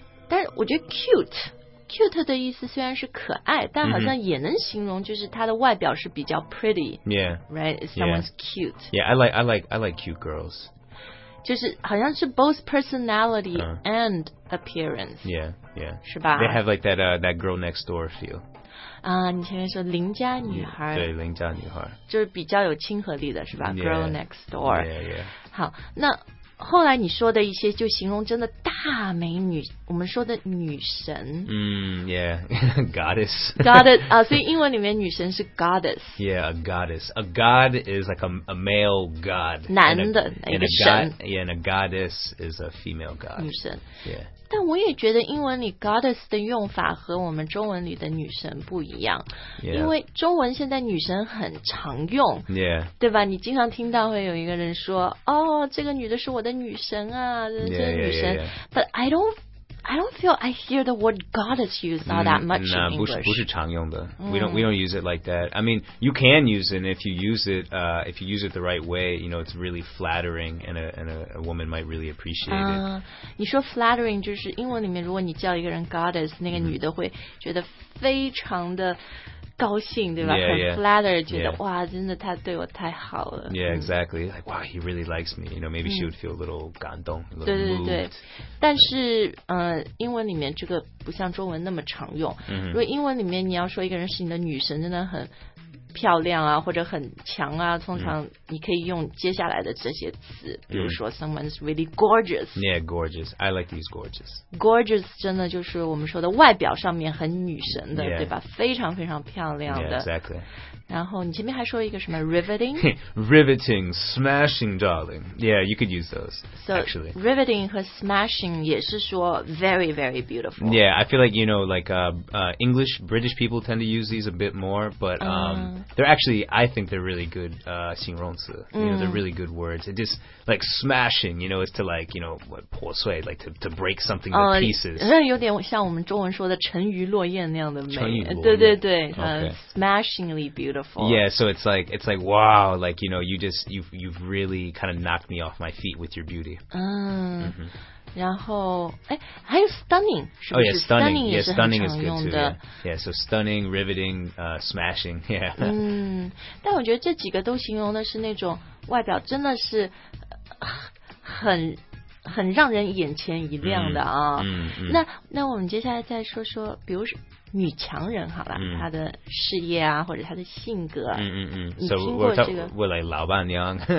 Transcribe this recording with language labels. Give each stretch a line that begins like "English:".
Chinese: 但是我觉得 cute. Cute 的意思虽然是可爱，但好像也能形容，就是她的外表是比较 pretty.
English: Yeah, right. Someone's cute. Yeah, I like cute girls.
Chinese: 就是好像是
English: both personality and appearance. Yeah, yeah.
Chinese: 是吧
English: ？They have like that that girl next door feel.
Chinese: 啊，你前面说邻家女孩。对，邻家女孩。就是比较有亲和力的是吧 ？
English: Girl next door. Yeah, yeah.
Chinese: 好，那。后来你说的一些就形容真的大美女，我们说的女神。
English: Yeah, goddess.
Chinese: Goddess 啊，所以英文里面女神是 goddess.
English: Yeah, a goddess. A god is like a male god.
Chinese: 男的一个神。
English: Yeah, and a goddess is a female god.
Chinese: 女神。
English: Yeah.
Chinese: 但我也觉得英文里 goddess 的用法和我们中文里的女神不一样，
English: yeah.
Chinese: 因为中文现在女神很常用，
English: yeah.
Chinese: 对吧？你经常听到会有一个人说，哦，这个女的是我的女神啊，这个女神。
English: Yeah, yeah, yeah, yeah. But I don't feel I hear the word goddess used all that much in English.
Chinese: 不是常用的。
English: We don't use it like that. I mean, you can use it, and if you use it the right way, you know, it's really flattering, and a woman might really appreciate it.
Chinese: 你说 flattering 就是英文里面，如果你叫一个人 goddess, 那个女的会觉得非常的高兴，对吧？
English: Yeah,
Chinese: 很 flattered,
English: yeah,
Chinese: 觉得、
English: yeah.
Chinese: 哇，真的她对我太好了。
English: Yeah, exactly. Like, wow, he really likes me. You know, maybe she would feel a little
Chinese: 感动。对对对。但是，英文里面这个不像中文那么常用。 Mm-hmm. 如果英文里面你要说一个人是你的女神，真的很漂亮啊或者很强啊通常你可以用接下来的这些词、mm. 比如说 someone's really gorgeous
English: yeah gorgeous I like these gorgeous
Chinese: gorgeous 真的就是我们说的外表上面很女神的、
English: yeah.
Chinese: 对吧非常非常漂亮的
English: yeah exactly
Chinese: 然后你前面还说一个什么 riveting
English: riveting smashing darling yeah you could use those so, actually
Chinese: riveting 和 smashing 也是说 very very beautiful
English: yeah I feel like you know like English British people tend to use these a bit more butThey're actually, I think they're really good 形容词 You know, they're really good words. It just, like, smashing, you know, is to, like, you know,
Chinese: 破碎
English: like, to break something to pieces.
Chinese: 有点像我们中文说的沉鱼落雁那样的美。沉鱼落雁。对对对、
English: okay. Smashingly beautiful. Yeah, so it's like, wow, like, you know, you just, you've really kind of knocked me off my feet with your beauty. Mm-hmm.
Chinese: 然后，哎，还有 stunning， 是不是
English: ？Oh yeah, stunning. Yeah, stunning is good too. Yeah, so stunning, riveting, smashing. Yeah.
Chinese: 嗯，但我觉得这几个都形容的是那种外表真的是很让人眼前一亮的啊。嗯那我们接下来再说说，比如说女强人好了，她的事业啊，或者她的性格。嗯嗯嗯。
English: So we're talking about like 老板娘。